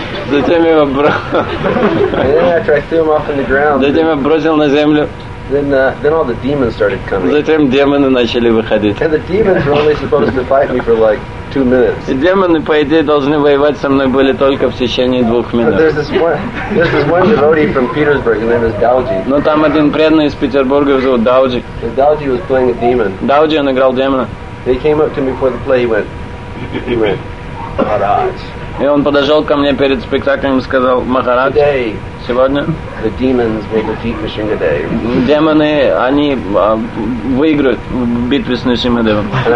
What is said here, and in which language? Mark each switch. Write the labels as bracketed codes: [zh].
[ru] Затем я его бросил на землю. [en] Then all the demons started coming. [ru] Затем демоны начали выходить. [en] And the demons were only supposed to fight me for like 2 minutes. [ru] И демоны, по идее, должны воевать со мной были только в течение 2 минут. [en] There's this one devotee from Petersburg, his name is Dalji. [ru] Но там один преданный из Петербурга, его зовут Дауджи. [en] And Dalji was playing a demon. [ru] Дауджи, он играл демона. [en] He came up to me before the play, he went, Maharaj. [ru] И он подошел ко мне перед спектаклем и сказал, Махарадж, сегодня [en] the demons will defeat Nrsimhadeva. [ru] Демоны, они выиграют в битве с Нрсимхадевом.